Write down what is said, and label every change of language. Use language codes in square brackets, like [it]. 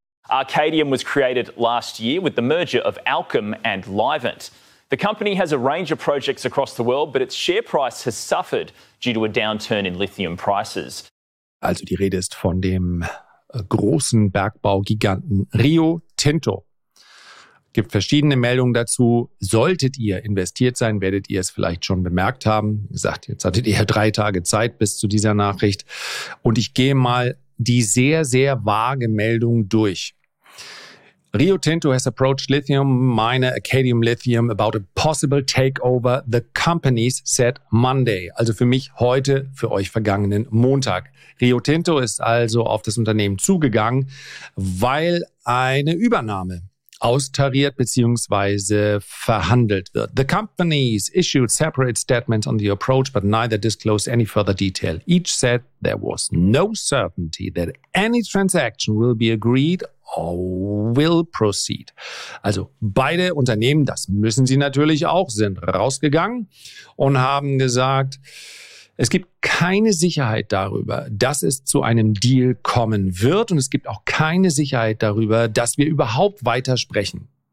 [en] Arcadium was created last year with the merger of Allkem and Livent. The company has a range of projects across the world, but its share price has suffered due to a downturn in lithium prices. [de] Also die Rede ist von dem großen Bergbaugiganten Rio Tinto. Gibt verschiedene Meldungen dazu. Solltet ihr investiert sein, werdet ihr es vielleicht schon bemerkt haben. Wie gesagt, jetzt hattet ihr 3 Tage Zeit bis zu dieser Nachricht. Und ich gehe mal die sehr, sehr vage Meldung durch. [en] Rio Tinto has approached lithium miner Arcadium Lithium about a possible takeover, the company said Monday. [de] Also für mich heute, für euch vergangenen Montag. Rio Tinto ist also auf das Unternehmen zugegangen, weil eine Übernahme austariert bzw. verhandelt wird. [en] The companies issued separate statements on the approach, but neither disclosed any further detail. Each said there was no certainty that any transaction will be agreed or will proceed. [de] Also beide Unternehmen, das müssen sie natürlich auch, sind rausgegangen und haben gesagt, es gibt keine Sicherheit darüber, dass es zu einem Deal kommen wird und es gibt auch keine Sicherheit darüber, dass wir überhaupt weitersprechen.